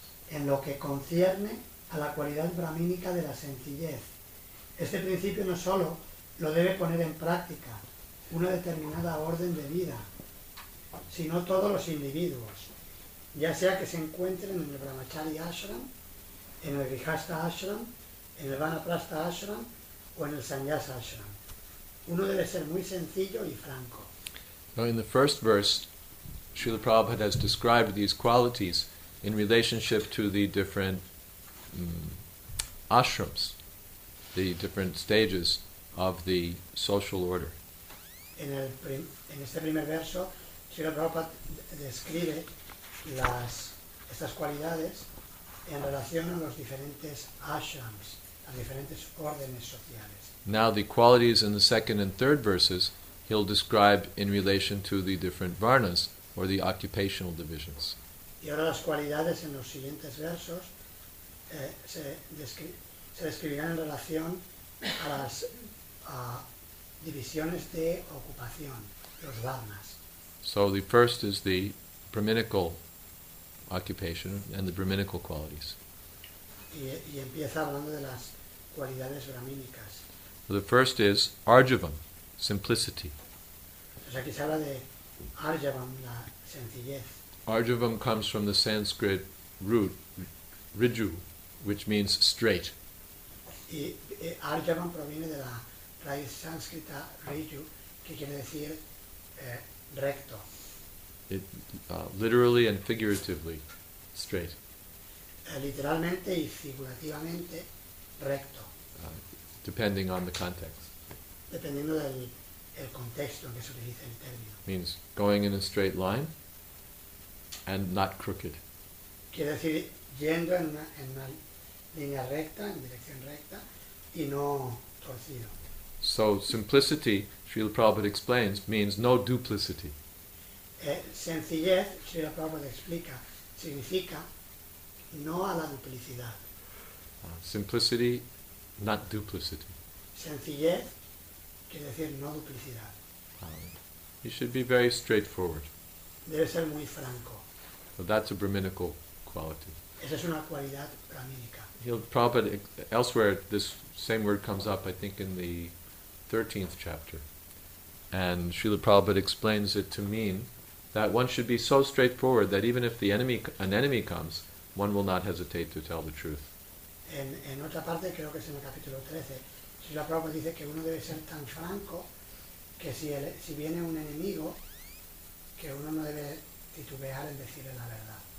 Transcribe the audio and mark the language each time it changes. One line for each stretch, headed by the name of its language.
Spanish: En lo que concierne a la cualidad brahmínica de la sencillez, este principio no solo lo debe poner en práctica una determinada orden de vida, sino todos los individuos, ya sea que se encuentren en el Brahmachari Ashram, en el Grihastha Ashram, en el Vanaprastha Ashram o en el Sannyasa Ashram. Uno debe ser muy sencillo y franco.
English: Now in the first verse, Srila Prabhupada has described these qualities in relationship to the different ashrams, the different stages of the social order.
Spanish: En este primer verso, Srila Prabhupada describe estas cualidades en relación a los diferentes ashrams, a diferentes órdenes sociales.
English: Now the qualities in the second and third verses he'll describe in relation to the different varnas, or the occupational divisions.
Spanish: Y ahora las cualidades en los siguientes versos se describirán en relación a las divisiones de ocupación, los varnas.
English: So the first is the brahminical occupation and the brahminical qualities.
Spanish: Y empieza hablando de las cualidades brahmínicas.
English: So the first is arjavam, simplicity.
Spanish: O sea, aquí se habla de arjavam, la sencillez.
English: Arjavam comes from the Sanskrit root riju, which means straight.
Spanish: Arjavam proviene de la raíz sánscrita riju, que quiere decir recto.
English: It literally and figuratively straight.
Spanish: Literalmente y figurativamente recto.
English: Depending on the context.
Spanish: Dependiendo del el contexto en que se utiliza el término.
English: Means going in a straight line. And not crooked.
Spanish: Quiere decir yendo en una línea recta, en dirección recta, y no torcido.
English: So simplicity, Srila Prabhupada explains, means no duplicity.
Spanish: Sencillez, Srila Prabhupada explica, significa no a la duplicidad.
English: Simplicity, not duplicity.
Spanish: Sencillez, quiere decir no duplicidad.
English: You should be very straightforward.
Spanish: Debe ser muy franco.
English: So that's a brahminical quality.
Spanish: Esa es una cualidad brahmínica.
English: Prabhupada, elsewhere, this same word comes up, I think, in the 13th chapter. And Srila Prabhupada explains it to mean that one should be so straightforward that even if an enemy comes, one will not hesitate to tell the truth.
Spanish: En otra parte, creo que es en el capítulo 13, Srila Prabhupada dice que uno debe ser tan franco que si viene un enemigo, que uno no debe titubear en decirle la verdad.